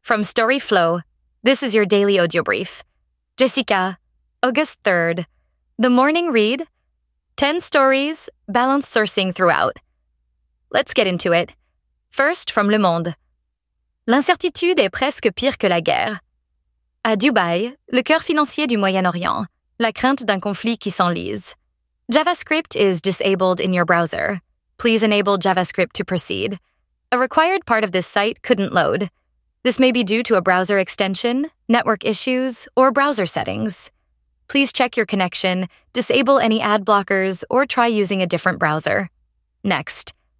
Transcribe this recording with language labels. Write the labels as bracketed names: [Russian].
[English] From Storyflow, this is your daily audio brief. Jessica, August 3rd. The morning read, 10 stories, balanced sourcing throughout. Let's get into it. First, from Le Monde. [French] L'incertitude est presque pire que la guerre. À Dubaï, le cœur financier du Moyen-Orient, la crainte d'un conflit qui s'enlise. [English] JavaScript is disabled in your browser. Please enable JavaScript to proceed. A required part of this site couldn't load. This may be due to a browser extension, network issues, or browser settings. Please check your connection, disable any ad blockers, or try using a different browser. Next.